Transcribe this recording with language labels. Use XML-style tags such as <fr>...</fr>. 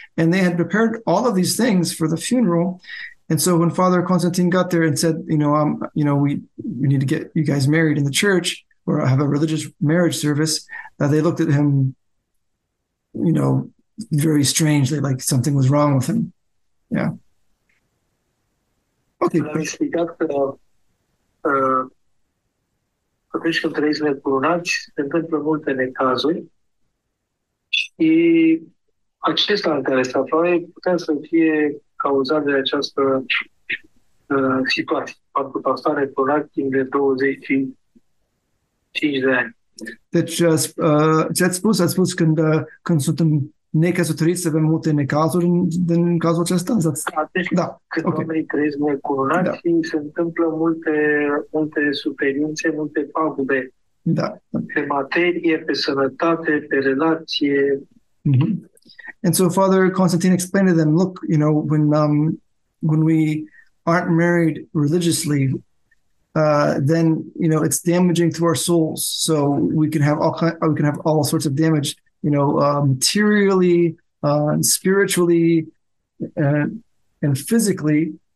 <en>And they had prepared all of these things for the funeral. And so when Father Constantine got there and said, you know, we need to get you guys married in the church, or have a religious marriage service, they looked at him, you know, very strangely, like something was wrong with him. Yeah. Okay.</en> <ro>L-am explicat că atunci când trăiți necurunați, se întâmplă multe necazuri și acesta în care se afla putea să fie cauzat de această situație. Pentru că asta necurunat timp de 20 Deci, ce-ați spus? Ați spus când suntem necăsătoriți, să avem multe necazuri în cazul acesta? Da. Când oamenii trăiesc necurunați, se întâmplă multe suferințe, multe pagube. Da. Pe materie, pe sănătate, pe relație. Mm-hmm.</ro> <en>And so Father Constantine explained to them, look, you know, when we aren't married religiously, then, you know, it's damaging to our souls. So we can have all sorts of damage, you know, materially, spiritually, and physically.</en>